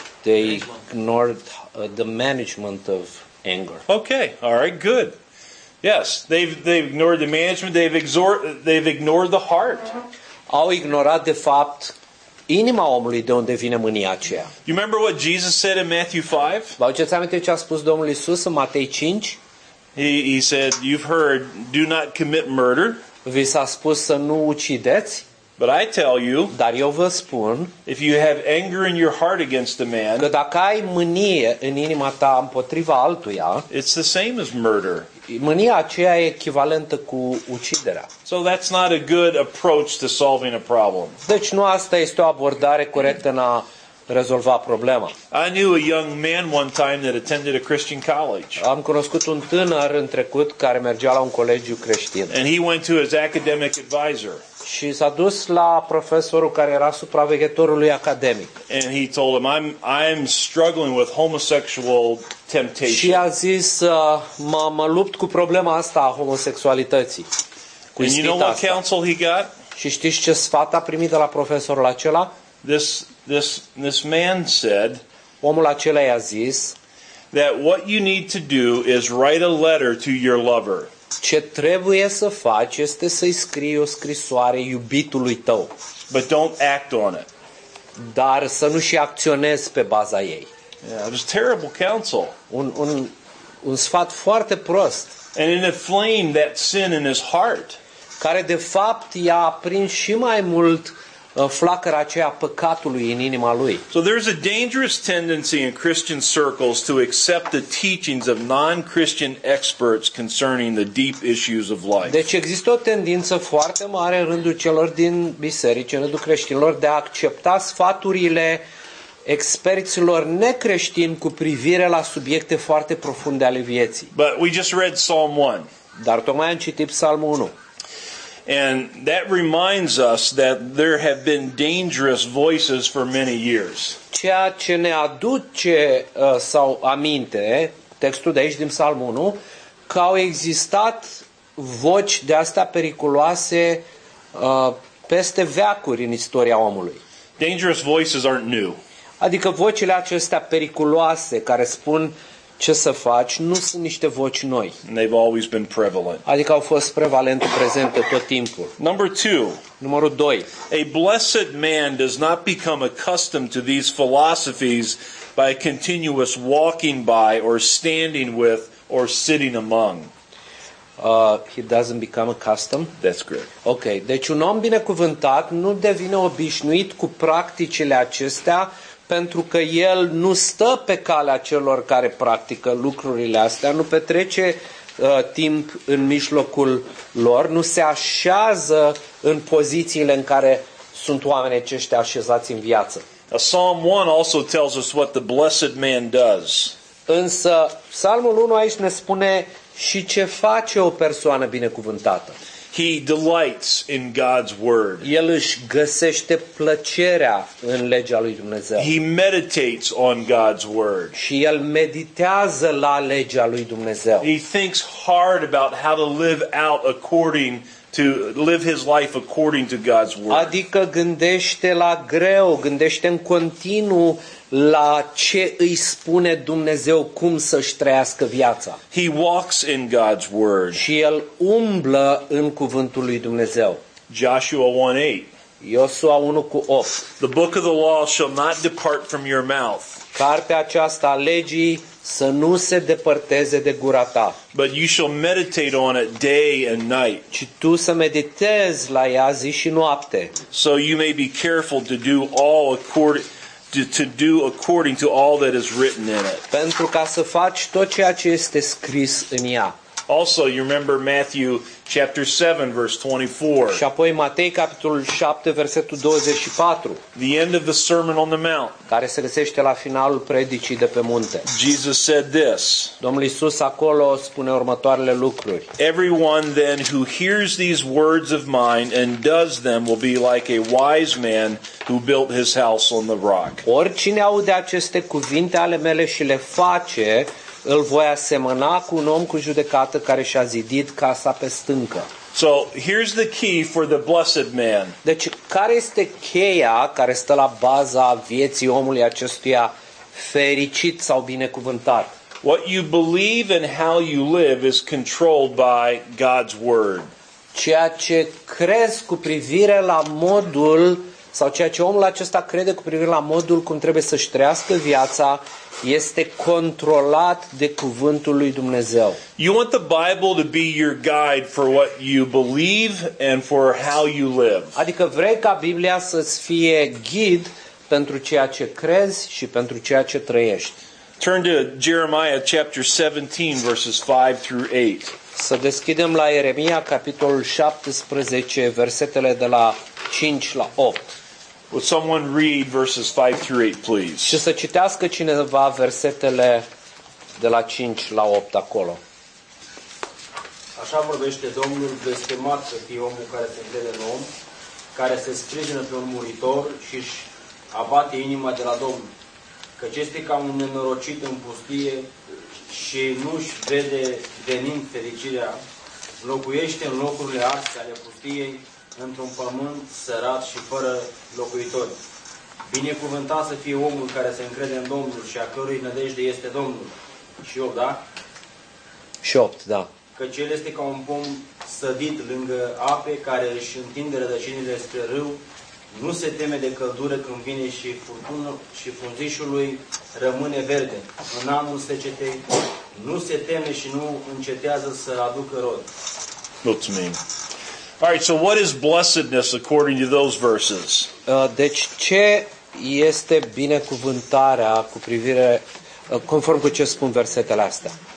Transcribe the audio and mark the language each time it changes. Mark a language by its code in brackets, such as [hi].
[en] They ignored the management of anger. Okay, all right, good. Yes, they've ignored the management, they've ignored the heart. [ro] Au ignorat de fapt inima omului de unde vine mânia aceea. [en] You remember what Jesus said in Matthew 5? [ro] Vă aduceți aminte ce a spus Domnul Iisus în Matei 5? [en] He said, you've heard, do not commit murder. [ro] Vi s-a spus să nu ucideți. [en] But I tell you, [ro] dar eu vă spun, [en] if you have anger in your heart against a man, [ro] că dacă ai mânie în inima ta împotriva altuia, [en] it's the same as murder. [ro] Mânia aceea e echivalentă cu uciderea. [en] So that's not a good approach to solving a problem. [ro] Deci nu asta este o abordare corectă în a rezolva problema. [en] I knew a young man one time that attended a Christian college. [ro] Am cunoscut un tânăr în trecut care mergea la un colegiu creștin. [en] And he went to his academic advisor. [ro] Și s-a dus la profesorul care era supraveghetorul lui academic. [en] And he told him, I'm struggling with homosexual temptation. [ro] Și a zis, mă lupt cu problema asta a homosexualității. Cu ispita asta. [en] And you know what counsel he got? [ro] Și știți ce sfat a primit de la profesorul acela? [en] This man said, [ro] omul acela i-a zis, [en] that what you need to do is write a letter to your lover. [ro] Ce trebuie să faci este să-i scrii o scrisoare iubitului tău. [en] But don't act on it. [ro] Dar să nu și acționezi pe baza ei. [en] Yeah, it was terrible counsel. [ro] Un sfat foarte prost. [en] And it inflamed that sin in his heart. [ro] Care de fapt i-a aprins și mai mult flacăra aceea păcatului în inima lui. [en] So there's a dangerous tendency in Christian circles to accept the teachings of non-Christian experts concerning the deep issues of life. [ro] Deci există o tendință foarte mare în rândul celor din biserici, în rândul creștinilor, de a accepta sfaturile experților necreștini cu privire la subiecte foarte profunde ale vieții. [en] But we just read Psalm 1. [ro] Dar tocmai am citit Psalmul 1. [en] And that reminds us that there have been dangerous voices for many years. [ro] Ceea ce ne aduce sau aminte textul de aici din Psalm 1, că au existat voci de astea periculoase peste veacuri în istoria omului. [en] Dangerous voices aren't new. [ro] Adică vocile acestea periculoase care spun ce să faci nu sunt niște voci noi. [en] They've always been prevalent. [ro] Adică au fost prevalente, prezente tot timpul. [en] Number two. [ro] Numărul 2. [en] A blessed man does not become accustomed to these philosophies by a continuous walking by or standing with or sitting among. He doesn't become accustomed. That's great. [ro] Okay, deci un om binecuvântat nu devine obișnuit cu practicile acestea pentru că el nu stă pe calea celor care practică lucrurile astea, nu petrece timp în mijlocul lor, nu se așează în pozițiile în care sunt oamenii aceștia așezați în viață. [en] A Psalm 1 also tells us what the blessed man does. [ro] Însă Psalmul 1 aici ne spune și ce face o persoană binecuvântată. [en] He delights in God's word. [ro] El își găsește plăcerea în legea lui Dumnezeu. [en] He meditates on God's word. [ro] Și el meditează la legea lui Dumnezeu. [en] He thinks hard about how to live out according to live his life according to God's word. [ro] Adică gândește la greu, gândește în continuu la ce îi spune Dumnezeu cum să-și trăiască viața. [en] He walks in God's word. [ro] Și el umblă în cuvântul lui Dumnezeu. [en] Joshua 1:8. [ro] Iosua 1:8. [en] The book of the law shall not depart from your mouth. [ro] Cartea aceasta a legii să nu se depărteze de gura ta. [en] But you shall meditate on it day and night. [ro] Ci tu să meditezi la ea zi și noapte. [en] So you may be careful to do all according to do according to all that is written in it. [ro] Pentru ca să faci tot ceea ce este scris în ea. [en] Also, you remember Matthew chapter 7 verse 24. [ro] Și apoi Matei capitolul 7 versetul 24. [en] The end of the Sermon on the Mount. [ro] Care se găsește la finalul predicii de pe munte. [en] Jesus said this. [ro] Domnul Iisus acolo spune următoarele lucruri. [en] Everyone then who hears these words of mine and does them will be like a wise man who built his house on the rock. [ro] Oricine aude aceste cuvinte ale mele și le face, îl voi asemăna cu un om cu judecată care și-a zidit casa pe stâncă. [en] So, here's the key for the blessed man. [ro] Deci, care este cheia care stă la baza vieții omului acestuia fericit sau binecuvântat? [en] What you believe and how you live is controlled by God's word. [ro] Ceea ce crezi cu privire la modul sau ceea ce omul acesta crede cu privire la modul cum trebuie să-și trăiască viața este controlat de cuvântul lui Dumnezeu. [en] You want the Bible to be your guide for what you believe and for how you live. [ro] Adică vrei ca Biblia să-ți fie ghid pentru ceea ce crezi și pentru ceea ce trăiești. [en] Turn to Jeremiah chapter 17 verses 5 through 8. [ro] Să deschidem la Ieremia capitolul 17 versetele de la 5 la 8. [en] Would someone read verses 5 through 8, please? [ro] Și să citească cineva versetele de la 5 la 8 acolo. Așa vorbește Domnul, blestemat să fie omul care se crede în om, care se sprijină pe un muritor și își abate inima de la Domnul. Căci este ca un nenorocit în pustie și nu-și vede venind fericirea, locuiește în locurile arse ale pustiei, într-un pământ sărat și fără locuitori. Binecuvântat să fie omul care se încrede în Domnul și a cărui nădejde este Domnul. Și 8, da? Și 8, da. Căci el este ca un pom sădit lângă ape care își întinde rădăcinile spre râu, nu se teme de căldură când vine și furtună și frunzișul lui rămâne verde. În anul secetei nu se teme și nu încetează să aducă rod. Mulțumim. [en] All right, so what is blessedness according to those verses? [ro] Deci ce este binecuvântarea cu privire conform cu ce spun versetele astea?